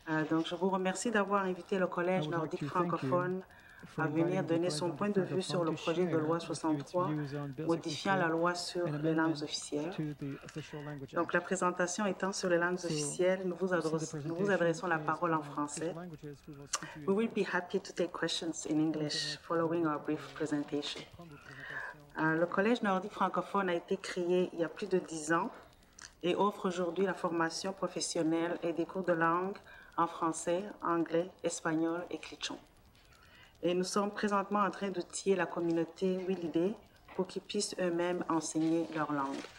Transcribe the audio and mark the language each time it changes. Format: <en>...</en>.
<fr>Donc, je vous remercie d'avoir invité le Collège nordique francophone à venir donner son point de vue sur le projet de loi 63 modifiant la loi sur les langues officielles. Donc, la présentation étant sur les langues officielles, nous vous adressons la parole en français.</fr> <en>We will be happy to take questions in English following our brief presentation.</en> <fr>Le Collège nordique francophone a été créé il y a plus de 10 ans et offre aujourd'hui la formation professionnelle et des cours de langue en français, anglais, espagnol et klitschon. Et nous sommes présentement en train d'outiller la communauté Wilidé pour qu'ils puissent eux-mêmes enseigner leur langue.</fr>